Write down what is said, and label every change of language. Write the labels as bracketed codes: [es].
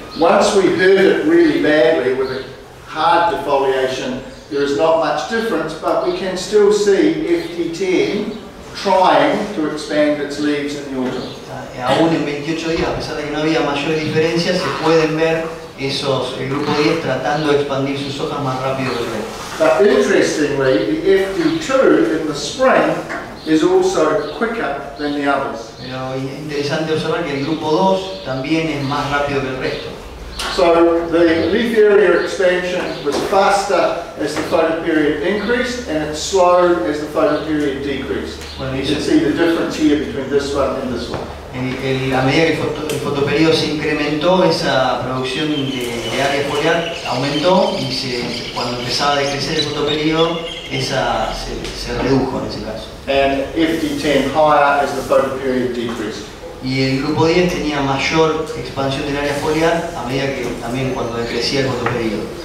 [en] Once we hurt it really badly with a hard defoliation, there is not much difference, but we can still see FT10 trying to expand its leaves in the autumn. [es] Aún en 28 días, a pesar de que no había mayor diferencia, se pueden ver esos, el grupo 10 tratando de expandir sus hojas más rápido que el. [en] But interestingly, the FT2 in the spring is also quicker than the others. [es] Pero es interesante observar que el grupo 2 también es más rápido que el resto. [en] So the leaf area expansion was faster as the photo period increased, and it slowed as the photo period decreased. Bueno, you can see the difference here between this one and this one. [es] A medida que el fotoperiodo se incrementó, esa producción de área foliar aumentó y cuando empezaba a decrecer el fotoperiodo, esa se redujo en ese caso. [en] And FT10 higher as the photo period decreased. [es] Y el grupo 10 tenía mayor expansión del área foliar a medida que también cuando decrecía el fotoperiodo.